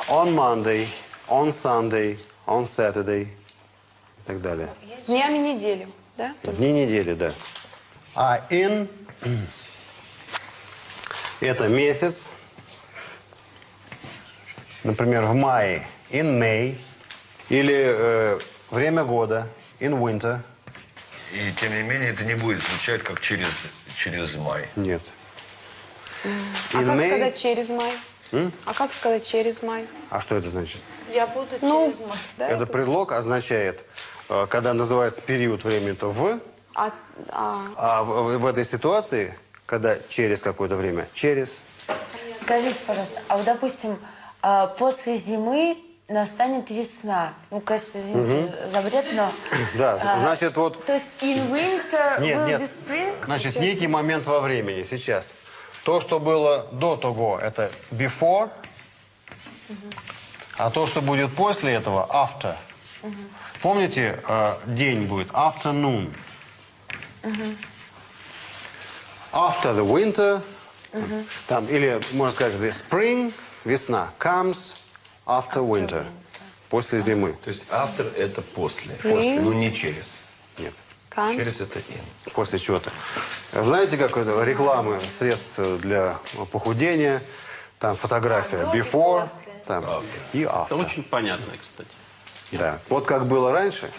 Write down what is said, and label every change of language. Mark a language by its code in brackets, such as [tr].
[en] On Monday, on Sunday, on Saturday [ru] и так далее. Днями недели, да? Дни недели, да. А in это месяц. Например, в мае. [en] In May. [ru] Или время года. [en] In winter. [ru] И тем не менее это не будет звучать как через май. Нет. А как сказать через май? А как сказать через май? А что это значит? Я буду через май. Да, это предлог означает, когда называется период времени, то в. А в этой ситуации, когда через какое-то время, через. Скажите, пожалуйста, а вот, допустим, после зимы настанет весна. Ну, кажется, извините за бред, но... Да, значит, вот... То есть [en] in winter will be spring? [ru] Значит, некий момент во времени сейчас. То, что было до того, это before, а то, что будет после этого, after. Помните, день будет afternoon. [en] After the winter, [ru] там, или можно сказать, [en] the spring, [ru] весна, [en] comes after winter, [ru] после зимы. То есть after – это после, после, но не через. Нет. Через это in. После чего-то. Знаете, как это реклама средств для похудения? Там фотография before там, и after. Это очень понятно, кстати. Да. Вот как было раньше,